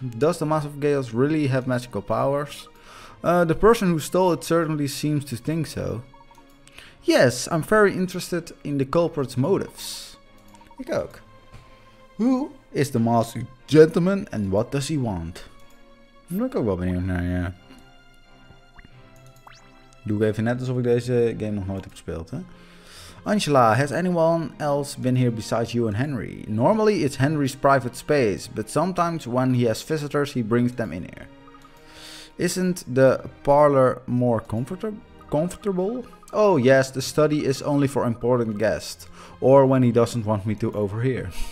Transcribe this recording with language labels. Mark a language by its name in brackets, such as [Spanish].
[English] Does the Mask of Chaos really have magical powers? The person who stole it certainly seems to think so. Yes, I'm very interested in the culprit's motives. [Dutch] Ik ook. [English] Who is the masked gentleman and what does he want? [Dutch] Ik ook wel benieuwd naar, ja. Doe ik even net alsof ik deze game nog nooit heb gespeeld, hè? [English] Angela, has anyone else been here besides you and Henry? Normally it's Henry's private space, but sometimes when he has visitors he brings them in here. Isn't the parlor more comfortable? Oh yes, the study is only for important guests, or when he doesn't want me to overhear.